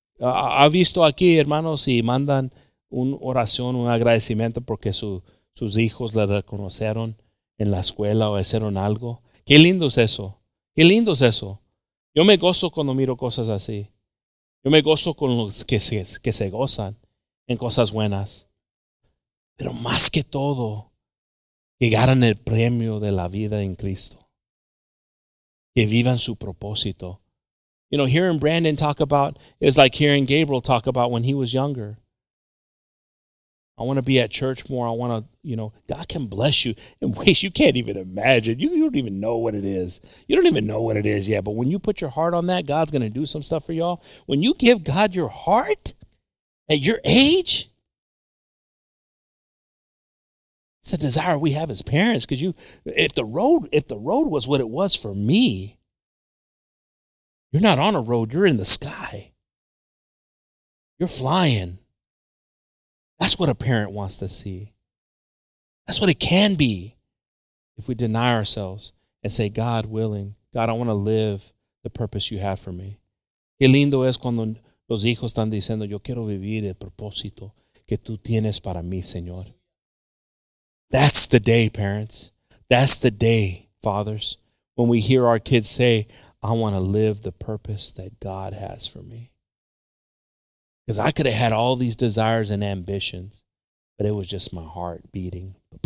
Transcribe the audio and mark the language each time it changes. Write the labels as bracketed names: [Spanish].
[Spanish] Ha visto aquí, hermanos, y mandan una oración, un agradecimiento porque sus hijos la reconocieron en la escuela o hicieron algo. Qué lindo es eso. Qué lindo es eso. Yo me gozo cuando miro cosas así. Yo me gozo con los que se gozan en cosas buenas. Pero más que todo, que ganan el premio de la vida en Cristo. Que vivan su propósito. [English] You know, hearing Brandon talk about, it was like hearing Gabriel talk about when he was younger. I want to be at church more. I want to, you know, God can bless you in ways you can't even imagine. You don't even know what it is. You don't even know what it is yet. But when you put your heart on that, God's going to do some stuff for y'all. When you give God your heart at your age, it's a desire we have as parents. Because you, if the road was what it was for me, you're not on a road. You're in the sky. You're flying. That's what a parent wants to see. That's what it can be if we deny ourselves and say, God willing, God, I want to live the purpose you have for me. [Spanish] Qué lindo es cuando los hijos están diciendo, yo quiero vivir el propósito que tú tienes para mí, Señor. [English] That's the day, parents. That's the day, fathers, when we hear our kids say, I want to live the purpose that God has for me. Because I could have had all these desires and ambitions, but it was just my heart beating.